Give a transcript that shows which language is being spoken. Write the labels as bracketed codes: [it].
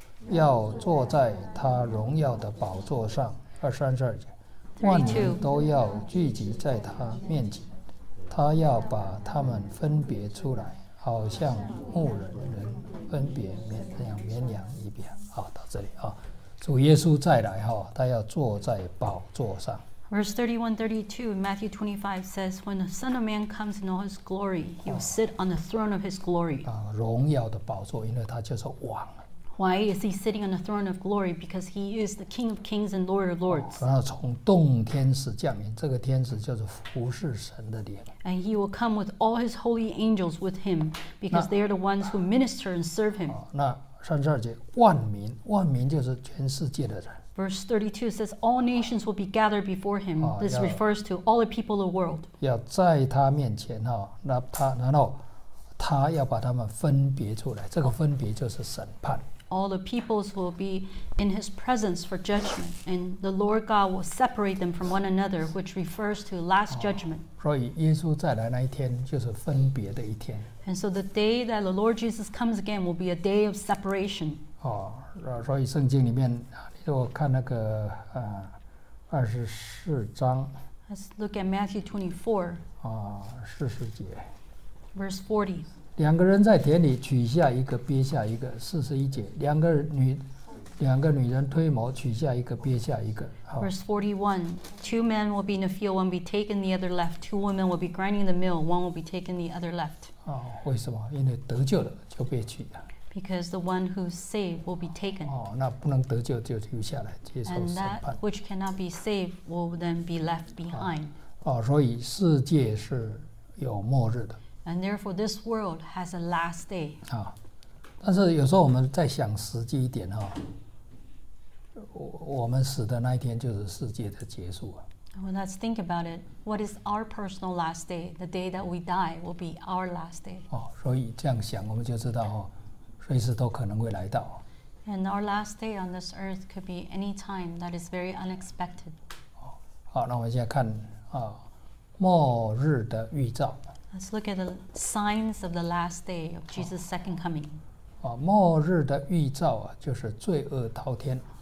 [zh] 要坐在他荣耀的宝座上，二三十二节，万民都要聚集在他面前，他要把他们分别出来，好像牧人人分别绵羊一边。好，到这里啊，主耶稣再来哈，他要坐在宝座上。 [en] Verse 31-32, Matthew 25 says, When the Son of Man comes in all his glory, he will sit on the throne of his glory. [zh] 啊，荣耀的宝座，因为他就是王。 [en] Why is he sitting on the throne of glory? Because he is the King of kings and Lord of lords. [zh] 然后从洞天使降临，这个天使就是服侍神的灵。 [en] And he will come with all his holy angels with him, because they are the ones who minister and serve him. [zh] 那三十二节，万民，万民就是全世界的人。 [en] Verse 32 says, All nations will be gathered before him. This refers to all the people of the world. [zh] 要在他面前哈，那他然后他要把他们分别出来，这个分别就是审判。 [en] All the peoples will be in his presence for judgment, and the Lord God will separate them from one another, which refers to last judgment. [zh] 所以耶稣再来那一天就是分别的一天。 [en] And so the day that the Lord Jesus comes again will be a day of separation. [zh] 所以圣经里面，你如果看那个二十四章。 [en] Let's look at Matthew 24. [zh] 四十节。 [en] Verse 40. [zh] 两个人在田里取下一个憋下一个四十一节两个女人推磨取下一个憋下一个 [en] Verse 41 Two men will be in the field, one be taken, the other left. Two women will be grinding the mill, one will be taken, the other left. [zh] 为什么因为得救了就被取了 [en] Because the one who's saved will be taken. [zh] 那不能得救就留下来接受审判 [en] And that which cannot be saved will then be left behind. [zh] 所以世界是有末日的 [en] And therefore, this world has a last day. [zh] 但是有时候我们再想实际一点、我们死的那一天就是世界的结束、 [en] Well, let's think about it. What is our personal last day? The day that we die will be our last day. [zh] 所以这样想我们就知道、随时都可能会来到。 [en] And our last day on this earth could be any time that is very unexpected. [zh] 好，那我们现在看、末日的预兆。 [en] Let's look at the signs of the last day of Jesus' second coming. [zh] 末日的预兆、就是罪恶滔天。